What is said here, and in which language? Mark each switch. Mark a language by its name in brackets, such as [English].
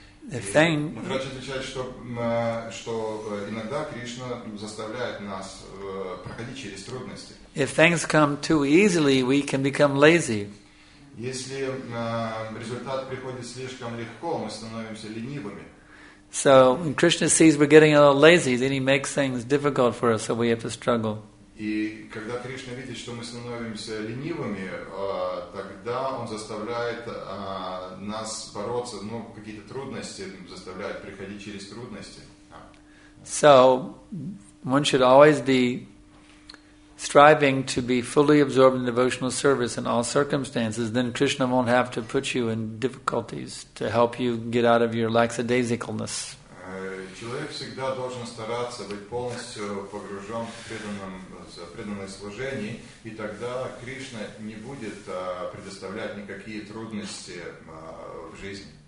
[Russian] Мудрец отвечает, что иногда Кришна заставляет нас проходить через трудности. [English] If things come too easily, we can become lazy. [Russian] Если результат приходит слишком легко, мы становимся ленивыми. [English] So when Krishna sees we're getting a little lazy, then he makes things difficult for us, so we have to struggle. [Russian] И когда Кришна видит, что мы становимся ленивыми, тогда он заставляет нас бороться, какие-то трудности, заставляет приходить через трудности. [English] So one should always be striving to be fully absorbed in devotional service in all circumstances, then Krishna won't have to put you in difficulties to help you get out of your lackadaisicalness. [Russian] Человек всегда должен стараться быть полностью погружен в преданное служение, и тогда Кришна не будет предоставлять никакие трудности в жизни.